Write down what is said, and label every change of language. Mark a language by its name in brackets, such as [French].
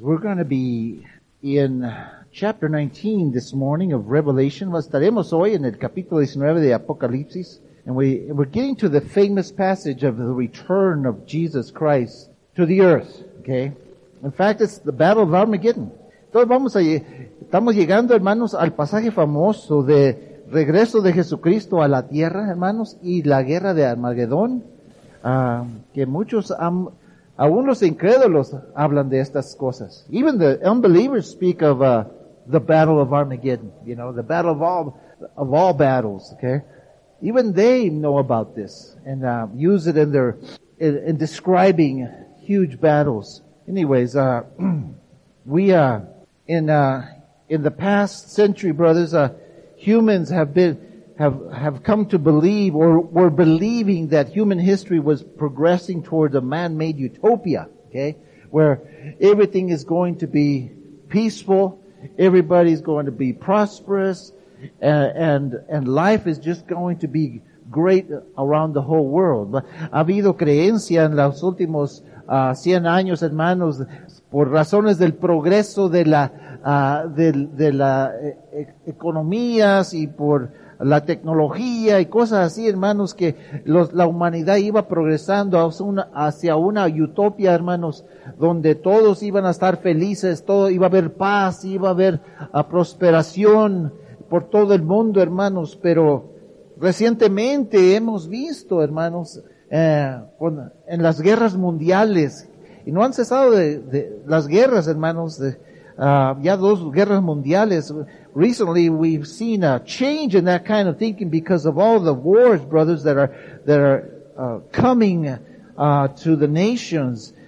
[English] We're going to be in chapter 19 this morning of Revelation. [Spanish] Estaremos hoy en el capítulo 19 de Apocalipsis. [English] And we're getting to the famous passage of the return of Jesus Christ to the earth. Okay? In fact, it's the Battle of Armageddon. [Spanish] Entonces estamos llegando, hermanos, al pasaje famoso de regreso de Jesucristo a la tierra, hermanos, y la guerra de Armagedón, que muchos aún los incrédulos hablan de estas cosas. [English] Even the unbelievers speak of the Battle of Armageddon, you know, the battle of all battles, okay? Even they know about this and use it in describing huge battles. Anyways, in the past century, brothers, humans have come to believe or were believing that human history was progressing towards a man-made utopia, okay, where everything is going to be peaceful, everybody's going to be prosperous, and life is just going to be great around the whole world. [Spanish] But ha habido creencia en los últimos 100 años, hermanos, por razones del progreso de las economías y por la tecnología y cosas así, hermanos, que la humanidad iba progresando hacia una utopía, hermanos, donde todos iban a estar felices, todo iba a haber paz, iba a haber prosperación por todo el mundo, hermanos. Pero recientemente hemos visto, hermanos, en las guerras mundiales, y no han cesado de las guerras, hermanos, ya dos guerras mundiales. [English] Recently we've seen a change in that kind of thinking because of all the wars, brothers, that are coming to the nations.